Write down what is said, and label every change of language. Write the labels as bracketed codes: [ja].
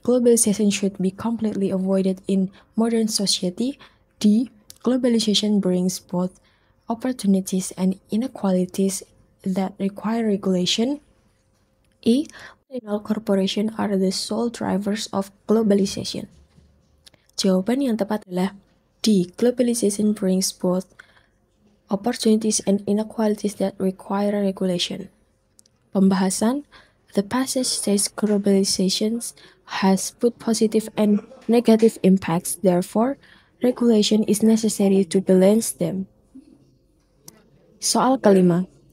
[en] Globalization should be completely avoided in modern society. D. Globalization brings both opportunities and inequalities that require regulation. E. Multinational corporations are the sole drivers of globalization. [id] Jawaban yang tepat adalah D. [en] Globalization brings both opportunities and inequalities that require regulation. Pembahasan, the passage says globalization has put positive and negative impacts, therefore, regulation is necessary to balance them. [id] Soal 5.